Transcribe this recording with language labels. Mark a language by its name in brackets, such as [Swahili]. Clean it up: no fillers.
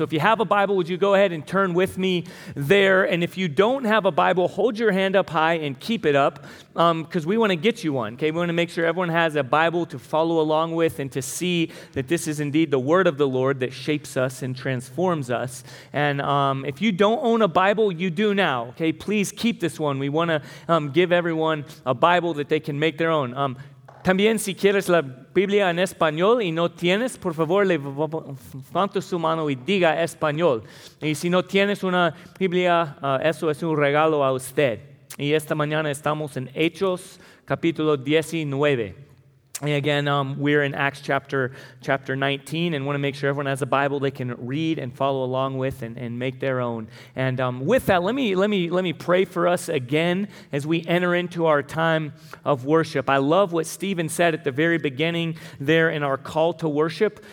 [English] So if you have a Bible, would you go ahead and turn with me there? And if you don't have a Bible, hold your hand up high and keep it up, because we want to get you one, okay? We want to make sure everyone has a Bible to follow along with and to see that this is indeed the word of the Lord that shapes us and transforms us. And if you don't own a Bible, you do now, okay? Please keep this one. We want to give everyone a Bible that they can make their own. [Spanish] También si quieres la Biblia en español y no tienes, por favor, levanta su mano y diga español. Y si no tienes una Biblia, eso es un regalo a usted. Y esta mañana estamos en Hechos, capítulo 19. [English] And again, we're in Acts chapter 19, and want to make sure everyone has a Bible they can read and follow along with and make their own. And with that, let me pray for us again as we enter into our time of worship. I love what Stephen said at the very beginning there in our call to worship.